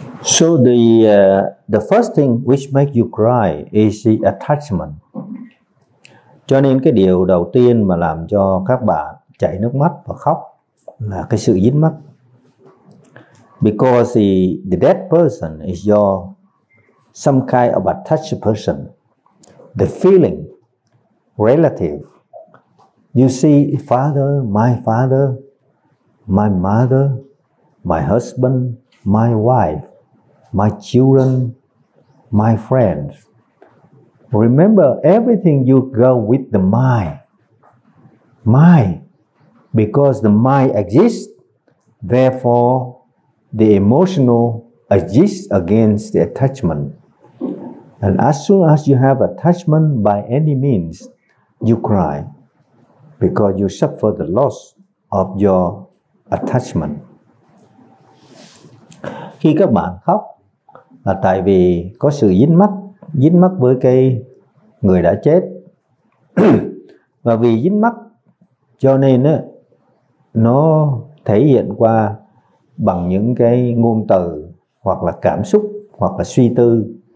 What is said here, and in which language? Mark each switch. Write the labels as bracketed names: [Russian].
[English] So the first thing which make you cry is the attachment. [Vietnamese] Cho nên cái điều đầu tiên mà làm cho các bạn chảy nước mắt và khóc là cái sự dính mắc. [English] Because the dead person is your some kind of attached person, the feeling relative. You see, father, my father, my mother, my husband, my wife, my children, my friends. Remember, everything you go with the mind. Mind, because the mind exists, therefore the emotional exists against the attachment. And as soon as you have attachment by any means, you cry because you suffer the loss of your attachment. [Vietnamese] Khi các bạn khóc là tại vì có sự dính mắc với cái người đã chết. Và vì dính mắc cho nên á, nó thể hiện qua bằng những cái ngôn từ hoặc là cảm xúc hoặc là suy tư.